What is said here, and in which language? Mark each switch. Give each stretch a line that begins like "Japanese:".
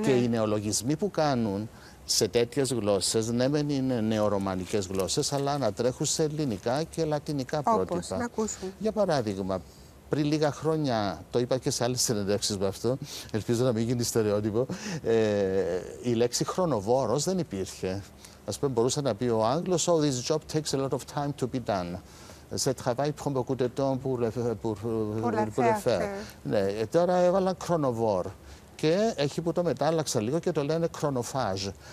Greek: Και οι νεολογισμοί που κάνουν σε τέτοιες γλώσσες, ναι, δεν είναι νεορωμανικές γλώσσες, αλλά ανατρέχουν σε ελληνικά και λατινικά πρότυπα. Όπως, να ακούσουν. Για παράδειγμα, πριν λίγα χρόνια, το είπα και σε άλλες συνεντεύξεις με αυτό, ελπίζω να μην γίνει στερεότυπο, η λέξη χρονοβόρος δεν υπήρχε.
English: Ας πούμε, μπορούσε να πει ο Άγγλος, «Oh, this job takes a lot of time to be done».
French: «Ce travail prend beaucoup de temps pour le faire».
Greek: Ναι, τώρα έβαλα χρονοβόρ. Και έχει που το μετάλλαξα λίγο και το λένε χρονοφάζ.